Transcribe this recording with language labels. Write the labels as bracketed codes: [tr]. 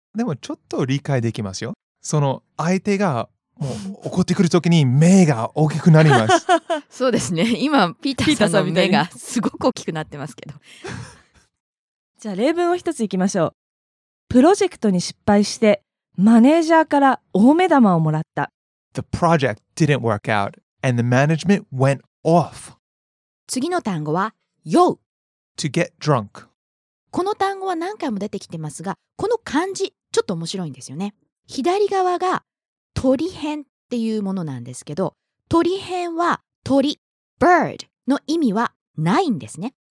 [ja] でもちょっと理解できますよ。その相手がもう怒ってくるときに目が大きくなります。そうですね。今ピーターさんの目がすごく大きくなってますけど。じゃあ例文を一ついきましょう。プロジェクトに失敗してマネージャーから大目玉をもらった。 [en] The project didn't work out and the management went off。 [ja] 次の単語は酔う。 [en] To get drunk。 [ja] この単語は何回も出てきてますが、この漢字ちょっと面白いんですよね。左側が鳥偏っていうものなんですけど、鳥偏は鳥、 bird の意味はないんですね。